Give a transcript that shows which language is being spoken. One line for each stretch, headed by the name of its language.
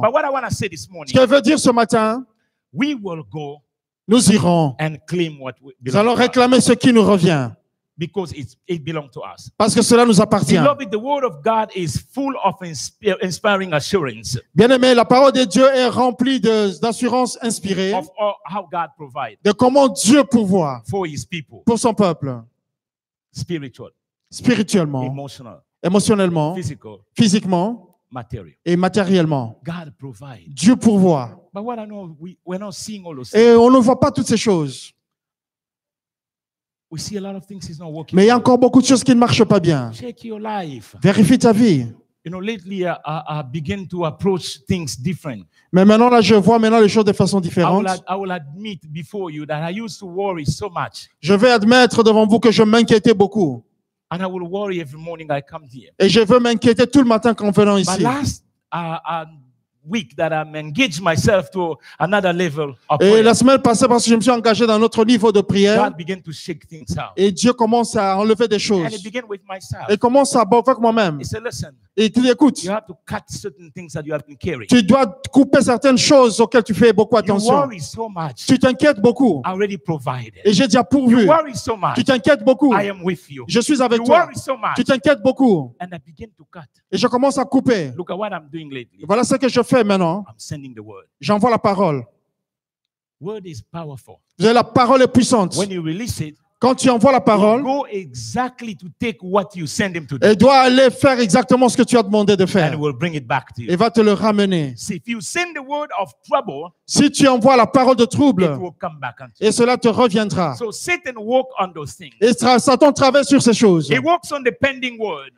English: But what I want to say this morning,
French: ce que je veux dire ce matin,
English: we will go
French: nous irons.
English: And claim what we
French: nous allons réclamer ce qui nous revient.
English: Because it belongs to us.
French: Parce que cela nous appartient.
English: Beloved, the word of God is full of inspiring assurance.
French: Bien-aimé, la parole de Dieu est remplie d'assurance inspirée.
English: Of all, how God provides.
French: De comment Dieu pourvoit.
English: For his people.
French: Pour son peuple.
English: Spiritual.
French: Spirituellement.
English: Emotional.
French: Émotionnellement.
English: Physical.
French: Physiquement.
English: Material.
French: Et matériellement.
English: God provides.
French: Dieu pourvoit.
English: But what I know, we're not seeing all those things.
French: Et on ne voit pas toutes ces choses.
English: We see a lot of things is not working.
French: Mais il y a encore beaucoup de choses qui ne marchent pas bien.
English: Check your life.
French: Vérifie ta vie.
English: You know, lately I begin to approach things different.
French: Mais maintenant là, je vois maintenant les choses de façon différente.
English: I will admit before you that I used to worry so much.
French: Je vais admettre devant vous que je m'inquiétais beaucoup.
English: And I will worry every morning I come here.
French: Et je veux m'inquiéter tout le matin quand venant ici.
English: But last week that I'm engaged myself to another level of prayer.
French: Et la semaine passée parce que je me suis engagé dans un autre niveau de prière.
English: God began to shake things out.
French: Et Dieu commence à enlever des choses.
English: And it began with myself.
French: Et commence à bouffer moi-même.
English: He said, listen.
French: Et tu écoutes.
English: You have to cut certain things that you have been carrying.
French: Tu dois couper certaines choses auxquelles tu fais beaucoup attention.
English: You worry so much.
French: Tu t'inquiètes beaucoup.
English: I already provided.
French: Et j'ai déjà pourvu.
English: You worry so much.
French: Tu t'inquiètes beaucoup.
English: I am with you.
French: Je suis avec
English: you
French: toi.
English: Worry so much.
French: Tu t'inquiètes beaucoup.
English: And I begin to cut.
French: Et je commence à couper.
English: Look at what I'm doing lately.
French: Voilà ce que je fais maintenant.
English: I'm sending the word.
French: J'envoie la parole.
English: Word is powerful.
French: Vous avez la parole est puissante.
English: When you release it,
French: quand tu envoies la parole,
English: go exactly to take what you send him to do.
French: Il doit aller faire exactement ce que tu as demandé de faire.
English: And will bring it back to you.
French: Il va te le ramener.
English: See, if you send the word of trouble,
French: si tu envoies la parole de trouble,
English: it will come back unto
French: et cela te reviendra.
English: So Satan walk on those things.
French: Et Satan travaille sur ces choses.
English: He works on the pending word.